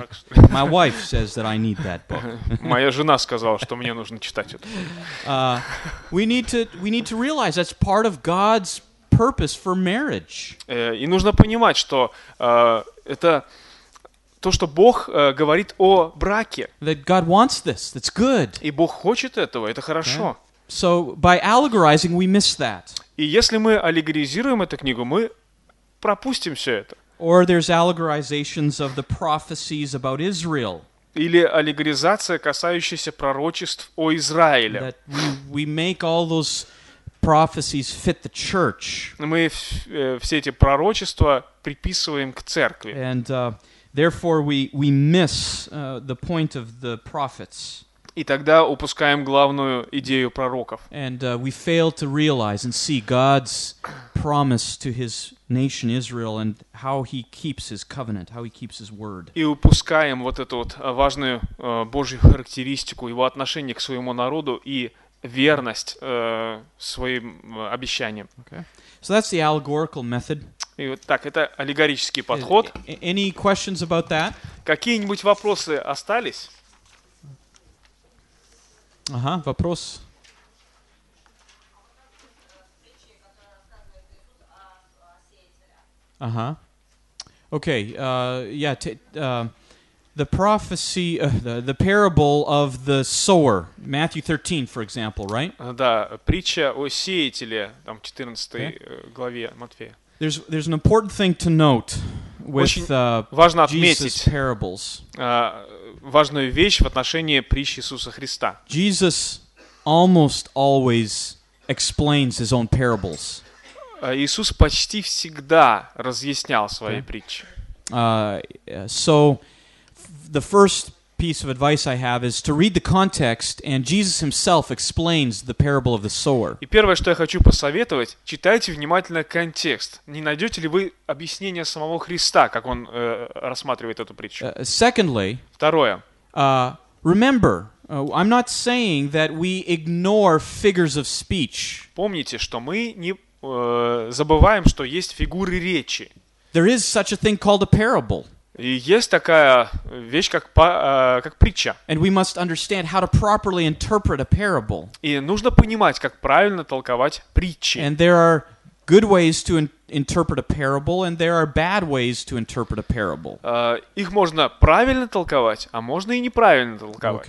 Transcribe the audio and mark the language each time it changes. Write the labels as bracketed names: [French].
[English] My wife says that I need that book. [Russian] Моя жена сказала, что мне нужно читать это. [English] We need to realize that's part of God's purpose for marriage. [Russian] И нужно понимать, что это то, что Бог говорит о браке. [English] That God wants this. That's good. [Russian] И Бог хочет этого. Это хорошо. Okay. [English] So by allegorizing, we miss that. [Russian] И если мы аллегоризируем эту книгу, мы пропустим все это. [English] Or there's allegorizations of the prophecies about Israel. [Russian] Или аллегоризация, касающаяся пророчеств о Израиле. [English] That we make all those prophecies fit the church. [Russian] Мы все эти пророчества приписываем к церкви. [English] And therefore we miss the point of the prophets. [Russian] И тогда упускаем главную идею пророков. [English] And we fail to realize and see God's promise to his nation Israel and how he keeps his covenant, how he keeps his word. [Russian] И упускаем вот эту вот важную Божью характеристику, его отношение к своему народу и верность своим обещаниям. [English] Okay. So that's the allegorical method. [Russian] И вот так, это аллегорический подход. [English] Any questions about that? [Russian] Какие-нибудь вопросы остались? Ага, вопрос. Ага. [English] Okay, the prophecy, the parable of the sower, Matthew 13, for example, right? [Russian] Да, притча о сеятеле, там, 14 главе Матфея. [English] There's an important thing to note with Jesus' parables. [Russian] Важную вещь в отношении притч Иисуса Христа. [English] Jesus almost always explains his own parables. [Russian] Иисус почти всегда разъяснял свои притчи. [English] So the first piece of advice I have is to read the context, and Jesus himself explains the parable of the sower. [Russian] И первое, что я хочу посоветовать, читайте внимательно контекст. Не найдете ли вы объяснение самого Христа, как он рассматривает эту притчу? [English] Secondly, [Russian] второе. [English] Remember, I'm not saying that we ignore figures of speech. [Russian] Помните, что мы не забываем, что есть фигуры речи. [English] There is such a thing called a parable. [Russian] И есть такая вещь, как притча. [English] And we must understand how to properly interpret a parable. [Russian] И нужно понимать, как правильно толковать притчи. [English] And there are good ways to interpret a parable, and there are bad ways to interpret a parable. [Russian] Их можно правильно толковать, а можно и неправильно толковать.